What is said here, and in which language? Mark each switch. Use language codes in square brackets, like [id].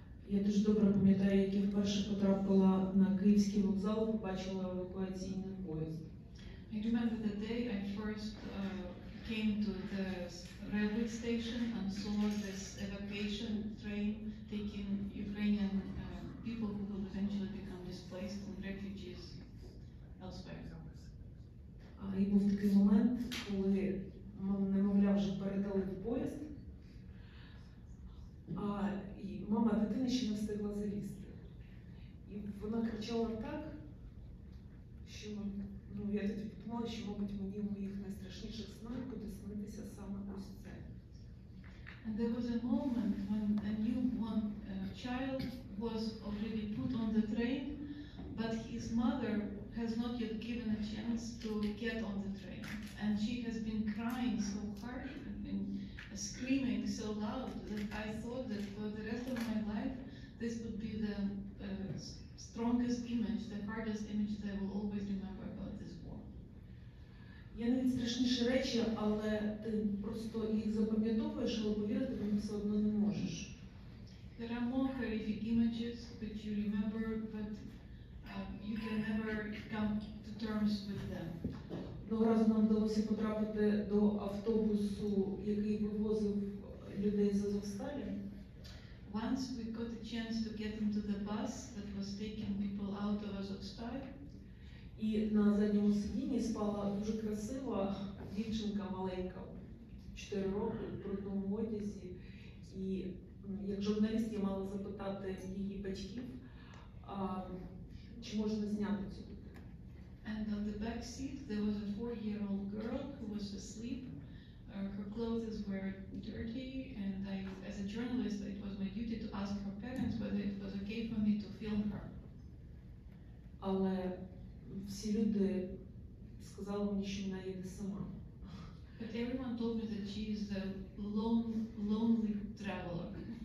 [uk] Я дуже добре пам'ятаю, як я вперше потрапила на Київський вокзал, побачила евакуаційний поїзд. [en] I remember the day I first came to the railway station and saw this evacuation train taking Ukrainian people who will eventually become displaced and refugees elsewhere. [uk] І був такий момент, коли, немовляв, вже передали в поїзд, і мама дитини ще не встигла залізти. І вона кричала так, що, я тоді подумала, що, мабуть, мені в моїх найстрашніших снах буде снитися саме ось це. [en] And there was a moment when a newborn child was already put on the train, but his mother has not yet given a chance to get on the train. And she has been crying so hard and been screaming so loud that I thought that for the rest of my life, this would be the strongest image, the hardest image that I will always remember about this war. [uk] Я не страшніші речі, але ти просто їх запам'ятовуєш, але повірити вам все одно не можеш. [en] There are more horrific images that you remember, but you can never come to terms with them. [uk] Одного разу нам вдалося потрапити до автобусу, який вивозив людей з Азовсталі. [en] Once we got a chance to get into the bus that was taking people out of Azovstal. [uk] І на задньому сидінні спала дуже красива дівчинка маленька, 4 роки, в брудному одязі. І як журналіст я мала запитати її батьків, чи можна зняти цю дитину. [en] And on the back seat there was a 4-year-old girl who was asleep. Her clothes were dirty, and I, as a journalist, it was my duty to ask her parents whether it was okay for me to film her. [uk] Але всі люди сказали мені, що вона їде сама. [en] But everyone told me that she is a lonely traveler.